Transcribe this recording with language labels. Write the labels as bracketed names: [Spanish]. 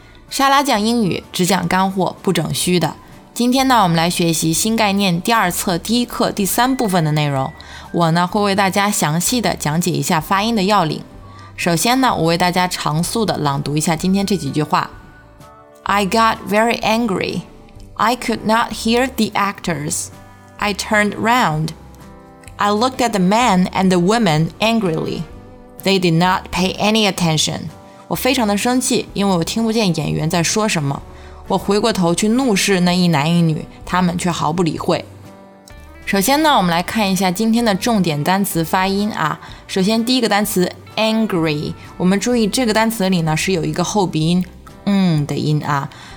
[Chinese] 沙拉酱英语只讲干货，不整虚的。今天呢，我们来学习新概念第二册第一课第三部分的内容。我呢会为大家详细的讲解一下发音的要领。首先呢，我为大家长速的朗读一下今天这几句话。 [English] I got very angry. I could not hear the actors. I turned round. I looked at the man and the woman angrily. They did not pay any attention. [Chinese] 我非常的生气，因为我听不见演员在说什么。我回过头去怒视那一男一女，他们却毫不理会。首先呢，我们来看一下今天的重点单词发音啊。首先第一个单词 angry， 我们注意这个单词里呢是有一个后鼻音的音啊。